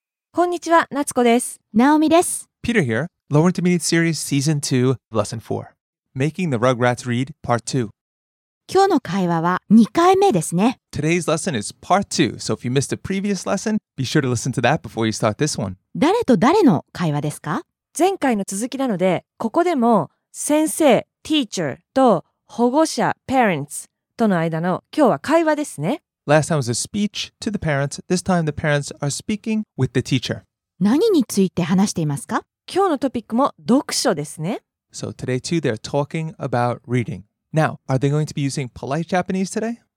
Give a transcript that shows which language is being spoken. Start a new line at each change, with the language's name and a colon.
Japanese: こんにちは、夏子です。ナオミです。
English: Peter here. Lower Intermediate Series Season 2 Lesson 4 Making the Rugrats Read Part 2。
Japanese: 今日の会話は2回目ですね。
English: Today's lesson is Part 2. So if you missed a previous lesson, be sure to listen to that before you start this one.
Japanese: 誰と誰の会話ですか？前回の続きなので、ここでも先生 Teacher と保護者 Parents との間の今日は会話ですね。
English: Last time was a speech to the parents. This time the parents are speaking with the teacher.
Japanese: 何について話していますか？今日のトピックも読書ですね。
English: So today too, they're talking about reading. Now, are they going to be using polite Japanese today?